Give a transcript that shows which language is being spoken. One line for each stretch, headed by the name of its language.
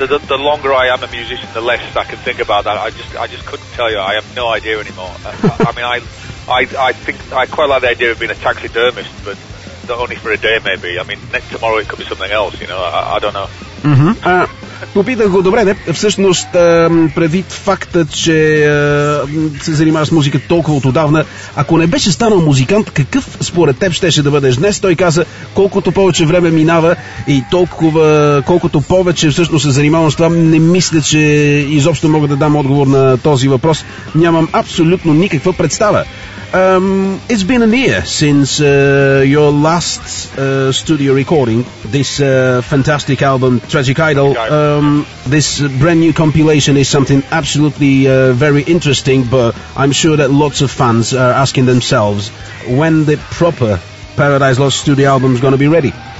English: The longer I am a musician, the less I can think about that. I just couldn't tell you. I have no idea anymore. I think I quite like the idea of being a taxidermist, but not only for a day, maybe. I mean, next tomorrow it could be something else, you know. I don't know. Mm-hmm.
Bulgarian: Попитах го, добре, не, всъщност предвид факта, че се занимаваш с музика толкова отдавна, ако не беше станал музикант, какъв според теб щеше да бъдеш днес? Той каза, колкото повече време минава и колкото повече всъщност се занимавам с това, не мисля, че изобщо мога да дам отговор на този въпрос. Нямам абсолютно никаква представа.
English: It's been a year since your last studio recording, this fantastic album, Tragic Idol. This brand new compilation is something absolutely very interesting, but I'm sure that lots of fans are asking themselves when the proper Paradise Lost studio album is going to be ready.